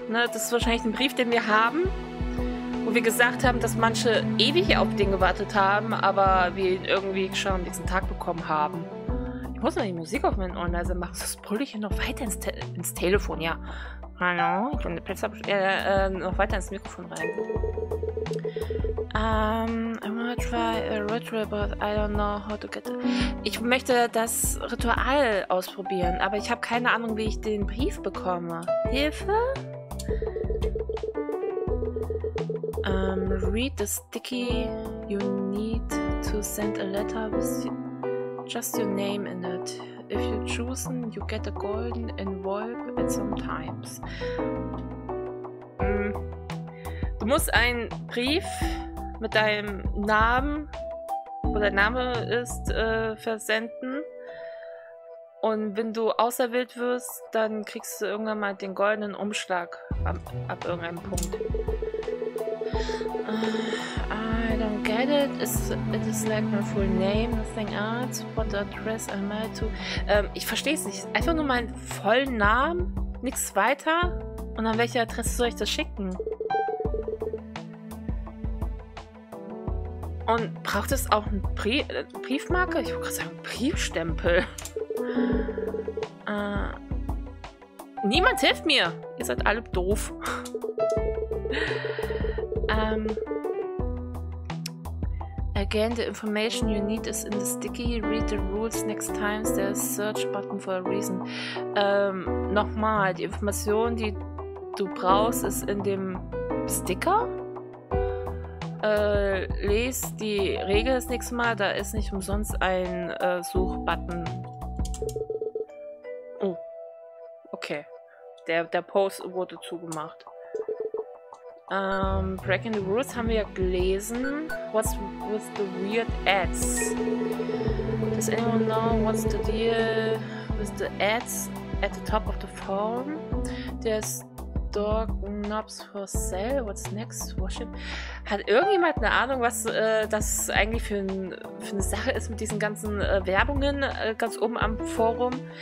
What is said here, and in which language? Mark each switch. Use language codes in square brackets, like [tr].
[de] Ne, das ist wahrscheinlich ein Brief, den wir haben. Wo wir gesagt haben, dass manche ewig auf den gewartet haben, aber wir ihn irgendwie schon am nächsten Tag bekommen haben. Ich muss noch die Musik auf meinen Ohren leise machen. Sonst brülle ich hier noch weiter ins Telefon, ja. Hallo? Ich kann den Pizza noch weiter ins Mikrofon rein. [en] I wanna try a ritual, but I don't know how to get it. [de] Ich möchte das Ritual ausprobieren, aber ich habe keine Ahnung, wie ich den Brief bekomme. Hilfe? [en] Read the sticky. You need to send a letter with just your name in it. If you chosen, you get a golden envelope at some times. [de] Du musst einen Brief mit deinem Namen, wo dein Name ist, versenden. Und wenn du auserwählt wirst, dann kriegst du irgendwann mal den goldenen Umschlag ab irgendeinem Punkt. [en] I don't get it. It is like my full name, nothing else. What address am I to? [de] Ich versteh's nicht. Einfach nur meinen vollen Namen, nichts weiter. Und an welche Adresse soll ich das schicken? Und braucht es auch eine Briefmarke? Ich wollte gerade sagen, Briefstempel. Niemand hilft mir. Ihr seid alle doof. [en] Again, the information you need is in the sticky. Read the rules next time. There's a search button for a reason. [de] Nochmal, die Information, die du brauchst, ist in dem Sticker. Lies die Regel das nächste Mal. Da ist nicht umsonst ein Suchbutton. Oh. Okay. Der Post wurde zugemacht. [en] Breaking the Rules [de] haben wir ja gelesen. [en] What's with the weird ads? Does anyone know what's the deal with the ads at the top of the phone? There's Dog Knobs for Sale. What's next? Worship? [de] Hat irgendjemand eine Ahnung, was das eigentlich für eine Sache ist mit diesen ganzen Werbungen ganz oben am Forum?